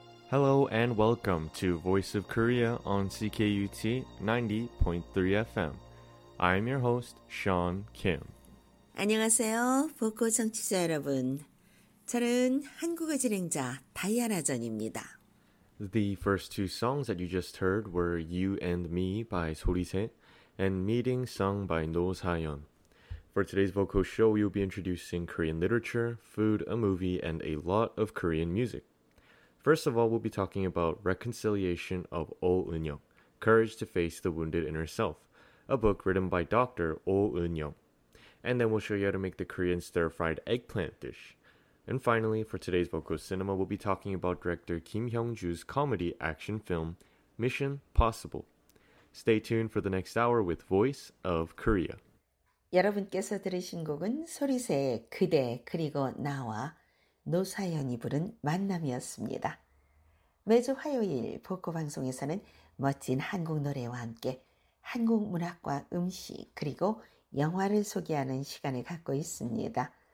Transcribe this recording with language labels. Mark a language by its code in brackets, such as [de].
[en] Hello and welcome to Voice of Korea on CKUT 90.3 FM. I'm your host, Sean Kim. [ko] 안녕하세요, 보고 청취자 여러분. 저는 한국어 진행자 다이아나 전입니다. [en] The first two songs that you just heard were You and Me by 소리새 and Meeting sung by 노사연. For today's vocal show, we will be introducing Korean literature, food, a movie, and a lot of Korean music. First of all, we'll be talking about Reconciliation of Oh Eun-young, Courage to Face the Wounded Inner Self, a book written by Dr. Oh Eun-young. And then we'll show you how to make the Korean stir-fried eggplant dish. And finally, for today's vocal cinema, we'll be talking about director Kim Hyung-ju's comedy action film, Mission Possible. Stay tuned for the next hour with Voice of Korea. [ko] 여러분께서 들으신 곡은 소리새의 그대 그리고 나와 노사연이 부른 만남이었습니다. 매주 화요일 복고 방송에서는 멋진 한국 노래와 함께 한국 문학과 음식 그리고 영화를 소개하는 시간을 갖고 있습니다.